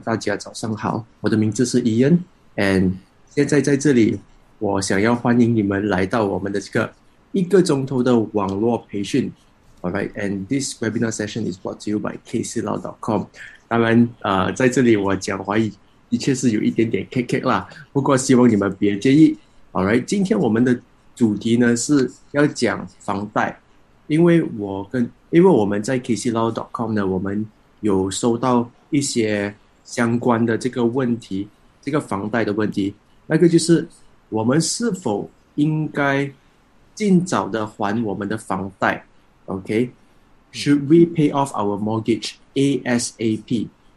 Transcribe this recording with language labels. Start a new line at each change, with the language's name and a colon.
Chinese: 大家早上好，我的名字是 Ian，and 现在在这里，我想要欢迎你们来到我们的这个1个钟头的网络培训。
English: All right，and this webinar session is brought to you by kclaw.com。
Chinese: 当然，在这里我讲华语的确是有一点点 KK 啦，不过希望你们别介意。 All right，今天我们的主题呢是要讲房贷，因为我们在 kclaw.com 呢，我们有收到一些相关的这个问题，这个房贷的问题，那个就是我们是否应该尽早的还我们的房贷？OK，
English: Should we pay off our mortgage ASAP？